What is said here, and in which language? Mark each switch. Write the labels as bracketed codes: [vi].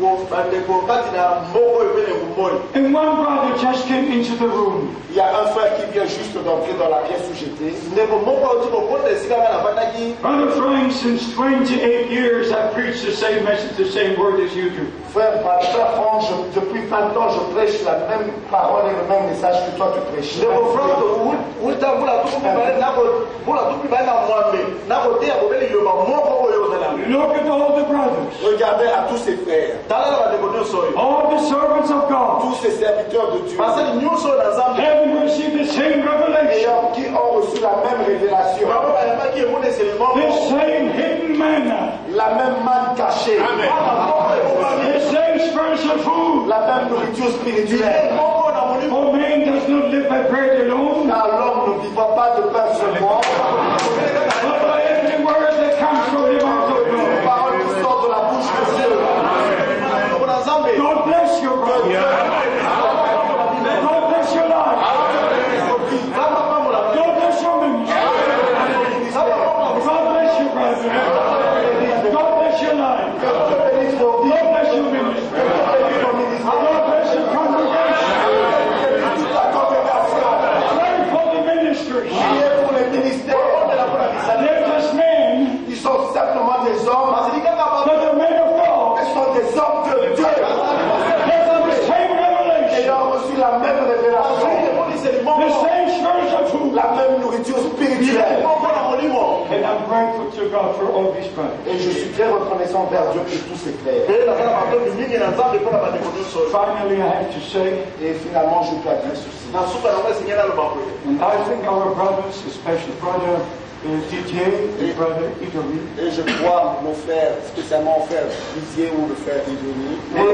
[en] And one brother just came into the room. [fr] Il y a un frère qui vient juste d'entrer dans la pièce où j'étais. [en] Brother Frank, since 28 years, I preach the same message, the same word as you do. [fr] Frère Frank, depuis 20 ans, je prêche la même parole et le même message que toi tu prêches. Mais mon frère, où t'as vu la toute [en] Look at all the brothers. [fr] Regardez à tous ces frères. [en] All the servants of God. [fr] Tous ces serviteurs de Dieu. [en] Having received the same revelation. [fr] Qui ont reçu la même révélation. [en] The same hidden manna. [fr] La même manne cachée. [en] Amen. The same spiritual food. [fr] La même nourriture spirituelle. [en] For man does not live by bread alone. [fr] Car l'homme ne vit pas de pain seulement. [en] But by every word that comes from the mouth of God. [fr] Parole qui sort de la bouche de Dieu. [en] God bless your brother. God bless your life. God bless your ministry. God bless your brother. God bless your life. God bless your ministry. God bless your congregation. Pray for the ministry. They're just men. [fr] Ils sont simplement des hommes. [en] But they're men of God. [fr] Ils sont des hommes de Dieu. [en] They have the same revelation. [fr] Ils ont reçu la même révélation. [en] The same spiritual food. [fr] La même nourriture spirituelle. [en] And I'm grateful to God for all these friends. [fr] Et je suis très reconnaissant vers Dieu pour tous ces frères. [en] Finally, I have to say. [fr] Et finalement, je dois dire ceci. [en] And I think our brothers, especially brother. Didier, et, brother, Idomi. [fr] Et je crois mon frère, spécialement frère Didier ou le frère Idomi.